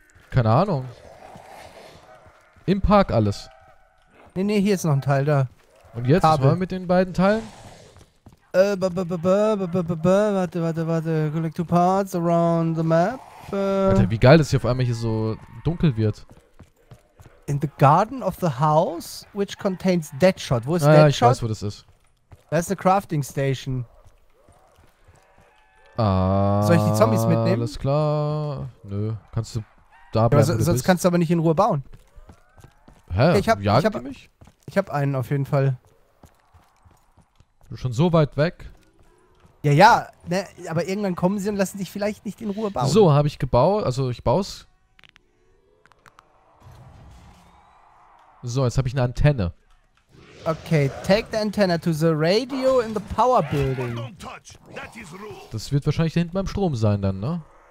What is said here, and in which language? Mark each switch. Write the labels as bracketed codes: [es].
[de] Keine Ahnung. Im Park alles. Nee, nee, hier ist noch ein Teil da. Und jetzt, Kabel. Was wollen wir mit den beiden Teilen? Warte, warte, warte. [en] Collect two parts around the map. [de] Warte, wie geil, dass hier auf einmal hier so dunkel wird. [en] In the garden of the house, which contains Deadshot. [de] Wo ist Deadshot? Ja, ich weiß, wo das ist. Das ist eine Crafting Station. Ah. Soll ich die Zombies mitnehmen? Alles klar. Nö, kannst du da bleiben. Ja, sonst kannst du aber nicht in Ruhe bauen. Hä? Okay, ich hab einen auf jeden Fall. Du bist schon so weit weg. Ja, ja. Ne, aber irgendwann kommen sie und lassen dich vielleicht nicht in Ruhe bauen. So, habe ich gebaut. Also, ich baue es. So, jetzt habe ich eine Antenne. [en] Okay, take the antenna to the radio in the power building. [de] Das wird wahrscheinlich da hinten beim Strom sein dann, ne?